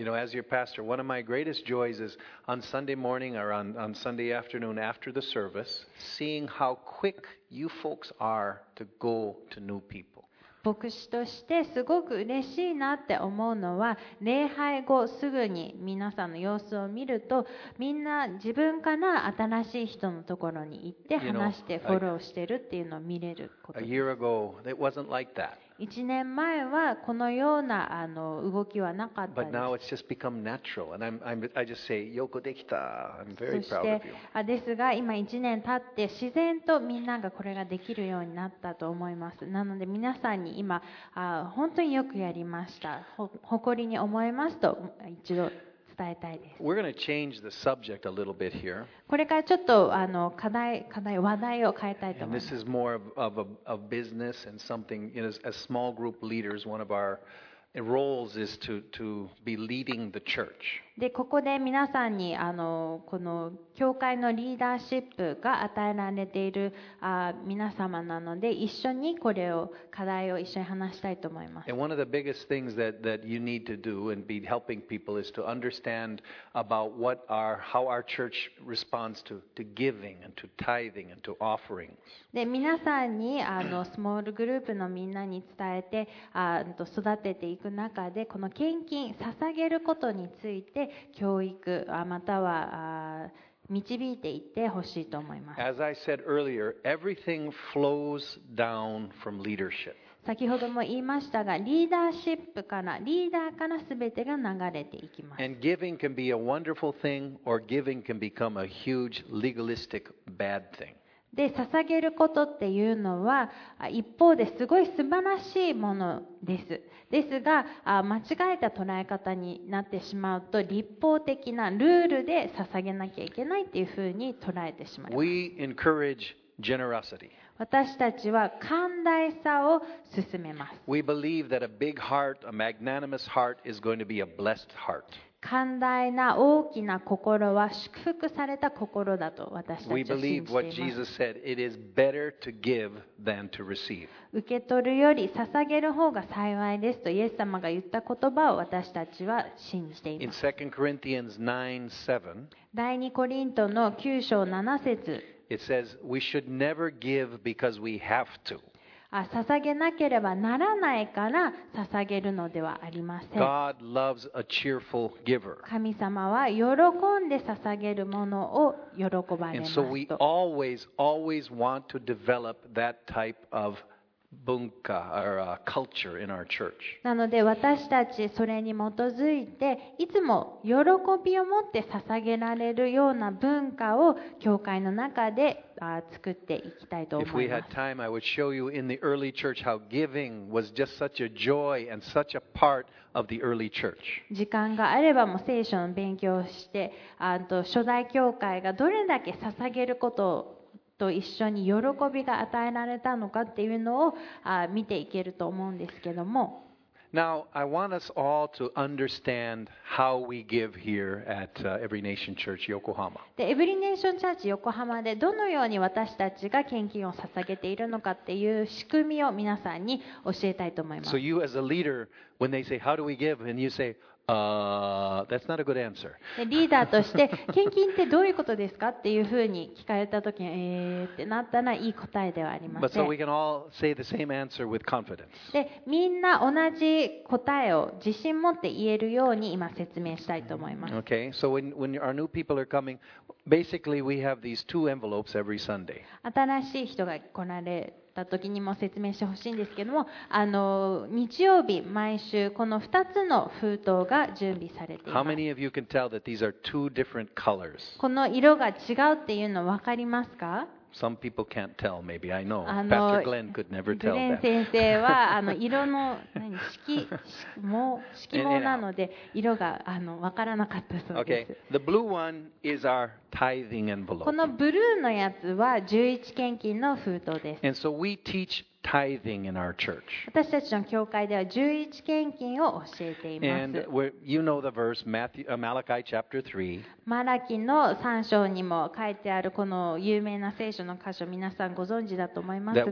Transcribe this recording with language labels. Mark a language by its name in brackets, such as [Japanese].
[English] You know, as your pastor, one of my greatest joys is on Sunday morning or on Sunday afternoon after the service, seeing how quick you folks are to go to new people. [Japanese] 牧師としてすごく嬉しいなって思うのは、礼拝後すぐに皆さんの様子を見ると、みんな自分から新しい人のところに行って話してフォローしてるっていうのを見れることです。 [English] A year ago, it wasn't like that. [Japanese] 1年前はこのような動きはなかったです。 [English] But now it's just become natural. And I just say, [Japanese] よくできた。 [English] I'm very proud of you. [Japanese] そしてですが、今1年経って自然とみんながこれができるようになったと思います。なので皆さんに今本当によくやりました、誇りに思えますと一度伝えたいです。 [English] We're going to change the subject a little bit here. [Japanese] これからちょっと課題話題を変えたいと思います。 [English] This is more of a business and something, you know, as small group leaders, one of our roles is to be leading the church. [Japanese] で、ここで皆さんにこの教会のリーダーシップが与えられている皆様なので、一緒にこれを課題を一緒に話したいと思います。 [English] And one of the biggest things that you need to do and be helping people is to understand about how our church responds to giving and to tithing and to offerings. [Japanese] で、皆さんにスモールグループのみんなに伝えて育てていく中で、この献金、捧げることについて教育または導いていってほしいと思います。 [English] As I said earlier, everything flows down from leadership. [Japanese] 先ほども言いましたが、リーダーシップから、リーダーから全てが流れていきます。 [English] And giving can be a wonderful thing, or giving can become a huge legalistic bad thing. [Japanese] で、捧げることっていうのは一方ですごい素晴らしいものです。ですが、間違えた捉え方になってしまうと、立法的なルールで捧げなきゃいけないっていうふうに捉えてしまいます。 [English] We encourage generosity. [Japanese] 私たちは寛大さを勧めます。 [English] We believe that a big heart, a magnanimous heart is going to be a blessed heart. [Japanese] 寛大な大きな心は祝福された心だと私たちは信じています。 [English] Said, it is better to give than to receive. [Japanese] 受け取るより捧げる方が幸いですとイエス様が言った言葉を私たちは信じています。 [English] In 2 Corinthians 9:7, [Japanese] 第2コリントの9章7節、 [English] It says we should never give because we have to. [Japanese] 捧げなければならないから捧げるのではありません。 [English] God loves a cheerful giver. [Japanese] 神様は喜んで捧げるものを喜ばれますと。 [English] And so we always, always want to develop that type of文化 or culture in our church. [Japanese] なので私たちそれに基づいて、いつも喜びを持って捧げられるような文化を教会の中で作っていきたいと思います。 [English] If we had time, I would show you in the early church how giving was just such a joy and such a part of the early church. [Japanese] 時間があればもう聖書の勉強をして、初代教会がどれだけ捧げることと一緒に喜びが与えられたのかっていうのを見ていけると思うんですけども。 [English] Now, I want us all to understand how we give here at Every Nation Church Yokohama. [Japanese] で、Every Nation Church Yokohama でどのように私たちが献金を捧げているのかっていう仕組みを皆さんに教えたいと思います。 [English] So you as a leader, when they say, how do we give? And you say,that's not a good answer. [Japanese] リーダーとして献金ってどういうことですかっていうふうに聞かれた時に、ってなったらいい答えではありません。 [English] But so we can all say the same answer with confidence. [Japanese] で、みんな同じ答えを自信持って言えるように今説明したいと思います。 [English] Okay, so when our new people are coming, basically we have these two envelopes every Sunday. [Japanese] 新しい人が来られる時にも説明してほしいんですけども、日曜日毎週この2つの封筒が準備されています。この色が違うっていうの分かりますか？ [English] Some people can't tell. Maybe I know. Pastor Glenn could never tell that. [Japanese] グレン先生は色の色毛なので色が分からなかったそうです。 [English] Okay. The blue one is our tithing envelope. [Japanese] このブルーのやつは十一献金の封筒です。 [English] And so we teach tithing in our church. [Japanese] 私たちの教会では十一献金を教えています。 [English] And you know the verse Malachi chapter 3. [Japanese] マラキの3章にも書いてあるこの有名な聖書の箇所、皆さんご存知だと思いますが、